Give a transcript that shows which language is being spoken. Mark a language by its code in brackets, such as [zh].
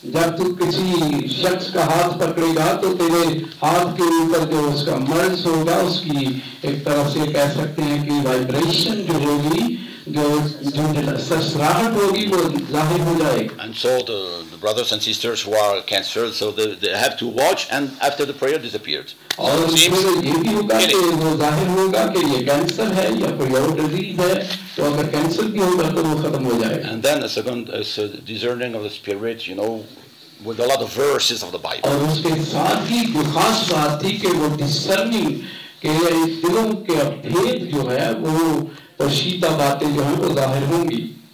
[hi] जब तू किसी शख्स का हाथ पकड़ेगा तो तेरे हाथ के ऊपर जो उसका मर्ज होगा उसकी एक तरफ से कह सकते हैं कि वाइब्रेशन जो होगी जो ससराहट होगी वो जाहिर हो जाएगी. [en] And so the brothers and sisters who are cancer, so they have to watch and after the prayer disappeared. [hi] और उसमें ये भी होगा कि वो जाहिर होगा कि ये कैंसर है या कोई और डिजीज है तो अगर कैंसर भी होगा तो वो खत्म हो जाएगा. [en] And then a second is discerning of the spirit, you know, with a lot of verses of the Bible. [hi] और उसके साथ ही जो खास बात थी कि वो discerning के दिलों के भेद जो है वो पोशीदा बातें जो हैं वो जाहिर होंगी.